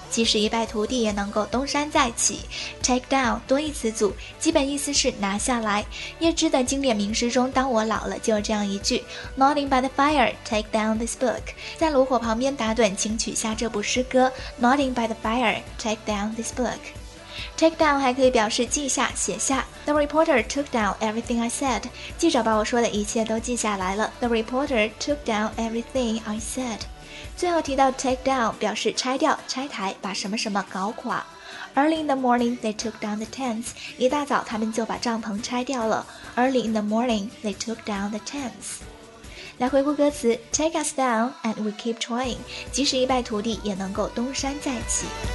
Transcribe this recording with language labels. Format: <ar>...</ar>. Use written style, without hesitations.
<zh>即使一败涂地也能够东山再起。Take down, 多义词组，基本意思是拿下来。叶芝的经典名诗中，当我老了，就有这样一句。</zh> <en>Nodding by the fire, take down this book.</en> <zh>在炉火旁边打盹，请取下这部诗歌。</zh> <en>Nodding by the fire, take down this book.</en> <zh>Take down 还可以表示记下、写下。</zh> <en>The reporter took down everything I said.</en> <zh>记者把我说的一切都记下来了。</zh> <en>The reporter took down everything I said.</en> <zh>最后提到 take down 表示拆掉、拆台，把什么什么搞垮。</zh> <en>Early in the morning, they took down the tents.</en> <zh>一大早他们就把帐篷拆掉了。</zh> <en>Early in the morning, they took down the tents.</en> <zh>来回顾歌词</zh> <en>,Take us down and we keep trying.</en> <zh>即使一败涂地也能够东山再起。</zh>